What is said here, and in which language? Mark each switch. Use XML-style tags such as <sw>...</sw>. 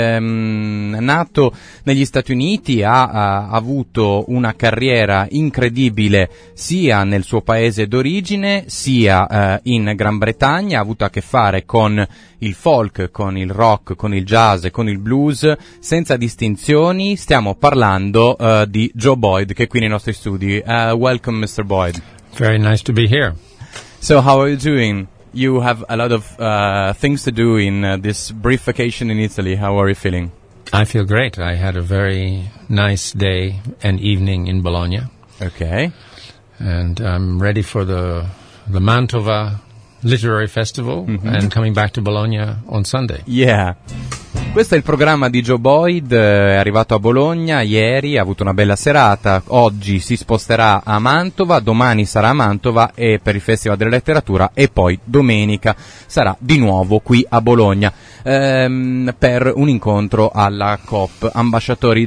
<it>Nato negli Stati Uniti, ha avuto una carriera incredibile sia nel suo paese d'origine sia in Gran Bretagna. Ha avuto a che fare con il folk, con il rock, con il jazz, con il blues, senza distinzioni. Stiamo parlando di Joe Boyd, che è qui nei nostri studi.</it> <en>Welcome, Mr. Boyd. Very nice to be here. So how are you doing? You have a lot of things to do in this brief vacation in Italy. How are you feeling? I feel great. I had a very nice day and evening in Bologna. Okay. And I'm ready for the Mantova Literary Festival and coming back to Bologna on Sunday. Yeah.</en> <it>Questo è il programma di Joe Boyd, è arrivato a Bologna ieri, ha avuto una bella serata, oggi si sposterà a Mantova, domani sarà a Mantova e per il Festival della Letteratura e poi domenica sarà di nuovo qui a Bologna per un incontro alla COP Ambasciatori.</it>